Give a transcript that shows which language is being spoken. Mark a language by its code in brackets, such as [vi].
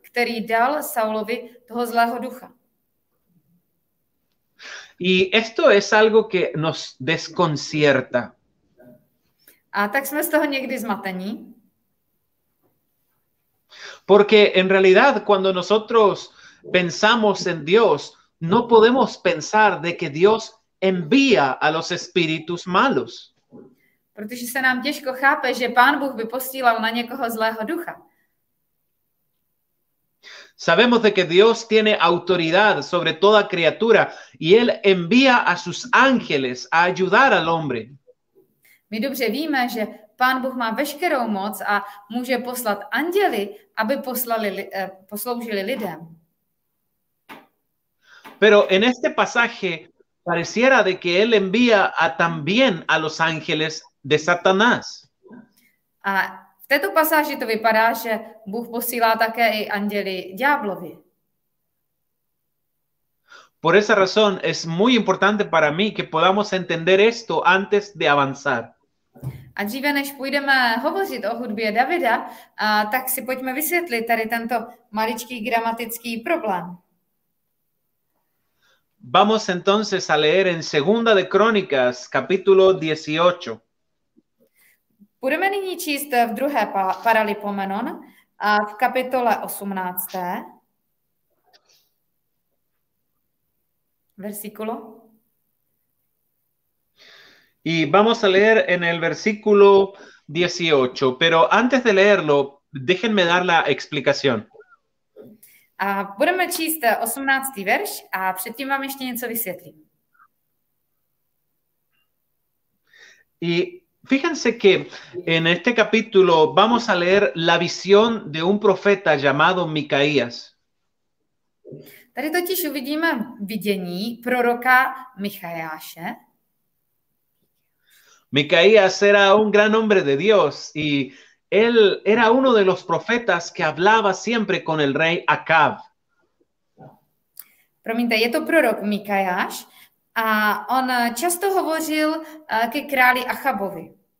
[cs] který dal Saulovi toho zlého ducha. [es] Y esto es algo que nos desconcierta. [cs] A tak jsme z toho někdy zmatení. [es] Porque en realidad cuando nosotros pensamos en Dios, no podemos pensar de que Dios envía a los espíritus malos. [cs] Protože se nám těžko chápe, že Pán Bůh by posílal na někoho zlého ducha. [es] Sabemos de que Dios tiene autoridad sobre toda criatura y él envía a sus ángeles a ayudar al hombre. [cs] My dobře víme, že Pán Bůh má veškerou moc a může poslat anděly, aby posloužili lidem. [es] Pero en este pasaje pareciera de que él envía a también a los ángeles de Satanás. [cs] A v této pasáži to vypadá, že Bůh posílá také i anděli ďáblovi. [es] Por esa razón es muy importante para mí que podamos entender esto antes de avanzar. [cs] A dříve, než půjdeme hovořit o hudbě Davida, tak si pojďme vysvětlit tady tento maličký gramatický problém. [es] Vamos entonces a leer en Segunda de Crónicas, capítulo 18. [cs] Budeme nyní číst v druhé Paralipomenon a v kapitole 18. [es] Versículo. Y vamos a leer en el versículo 18, pero antes de leerlo, déjenme dar la explicación. [cs] A budeme číst 18. verš a předtím vám ještě něco vysvětlím. [es] Y fíjense que en este capítulo vamos a leer la visión de un profeta llamado Micaías. [cs] Tady totiž uvidíme vidění proroka Micaiáše. [es] Micaías era un gran hombre de Dios y él era uno de los profetas que hablaba siempre con el rey Acab. [cs] Promiňte, je to prorok Micaiáš a on často hovořil ke králi Achabovi.